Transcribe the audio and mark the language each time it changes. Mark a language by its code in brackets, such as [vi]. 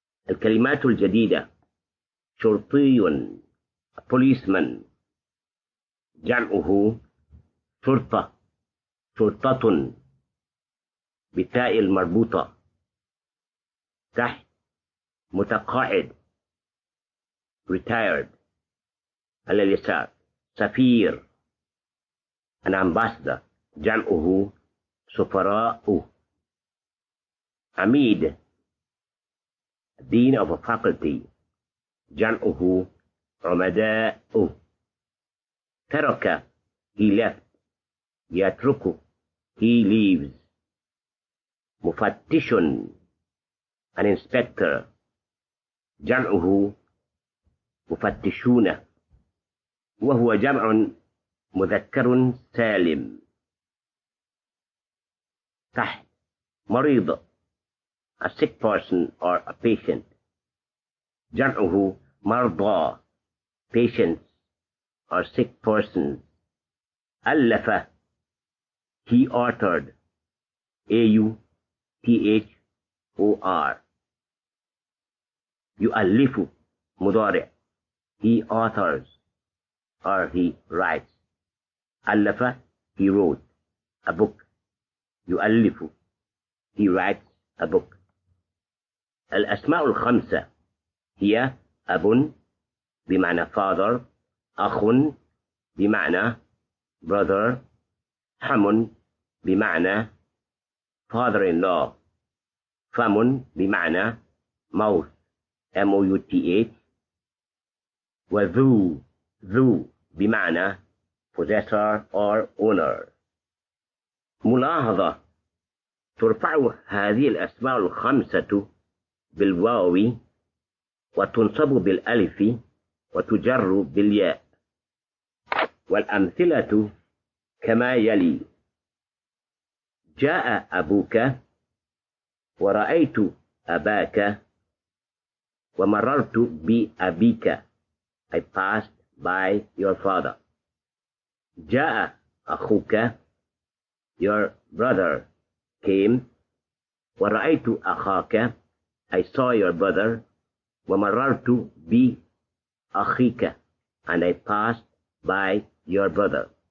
[ar] الكلمات الجديدة، شرطي policeman جمعه شرطة شرطة بتاء المربوطة، تحت متقاعد retired، على اليسار سفير [en] an ambassador [ar] جمعه سفراء، [en] عميد dean of a faculty [ar] جمعه عمداء. [en] ترك he left، يترك he leaves. [ar] مفتش [en] an inspector [ar] جمعه مفتشون، وهو جمع مذكر سالم. تحت مريض [en] a sick person or a patient [ar] جمعه مرضى [en] patients or sick persons. ألف he authored A-U-T-H-O-R [ar] يؤلف مضارع [en] he authors or he writes. ألف he wrote a book يؤلف he writes a book. [ar] الأسماء الخمسة هي أب بمعنى father، أخ بمعنى brother، حم بمعنى father-in-law، فم بمعنى mouth M-O-U-T-H، وذو بمعنى [en] possessor or owner. [ar] ملاحظة، ترفع هذه الأسماء الخمسة بالواو وتنصب بالألف وتجر بالياء، والأمثلة كما يلي: جاء أبوك ورأيت أباك ومررت بأبيك. [en] I passed by your father. [ar] جاء أخوك [en] your brother came [ar] ورأيت أخاك [en] I saw your brother [ar] ومررت بأخيك [en] and I passed by your brother.